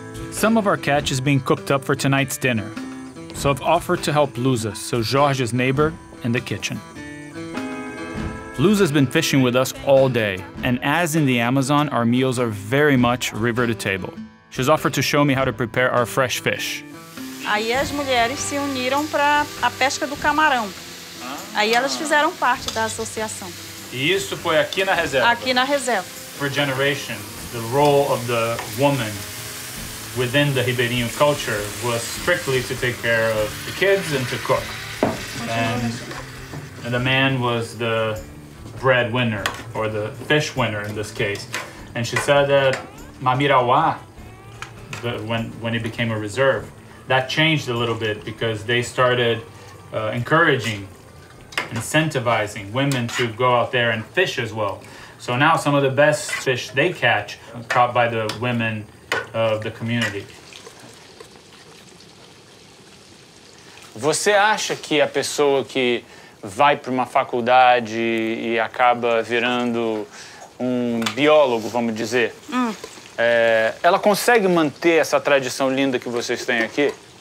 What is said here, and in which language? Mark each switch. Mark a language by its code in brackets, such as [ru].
[en] Some of our catch is being cooked up for tonight's dinner, so I've offered to help Luza, so Jorge's neighbor, in the kitchen. Luza's been fishing with us all day, and as in the Amazon, our meals are very much river to table. She's offered to show me how to prepare our fresh fish. [pt] Aí as mulheres se uniram para a pesca do camarão. Aí elas fizeram parte da associação. E isso foi aqui na reserva? Aqui na reserva. [en] For generations, the role of the woman within the Ribeirinho culture was strictly to take care of the kids and to cook. And the man was the breadwinner, or the fish winner in this case. And she said that Mamirawa, when it became a reserve, that changed a little bit because they started encouraging, incentivizing women to go out there and fish as well. So now some of the best fish they catch are caught by the women of the community. [pt] Você acha que a pessoa que vai para uma faculdade e acaba virando um biólogo, vamos dizer, ela consegue manter essa tradição linda que vocês têm aqui?